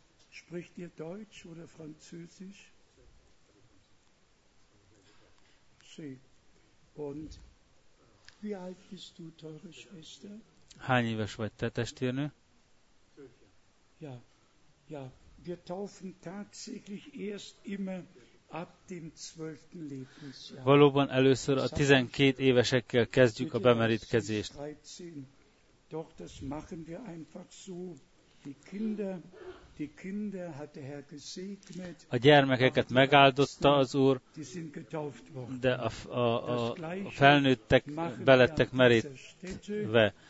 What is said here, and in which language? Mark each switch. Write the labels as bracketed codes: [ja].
[de] Spricht ihr Deutsch oder Französisch? Sie. Und wie alt bist du, teure Schwester? [hu] Hány éves vagy te, testvérnő? [de] Ja, ja. Wir taufen tatsächlich erst immer ab dem 12. Lebensjahr. [hu] Valóban először a 12 évesekkel kezdjük a bemerítkezést. [de] Doch das machen wir einfach so. Die Kinder hat der Herr gesegnet. [hu] A gyermekeket megáldotta az Úr, de a felnőttek belettek merítve.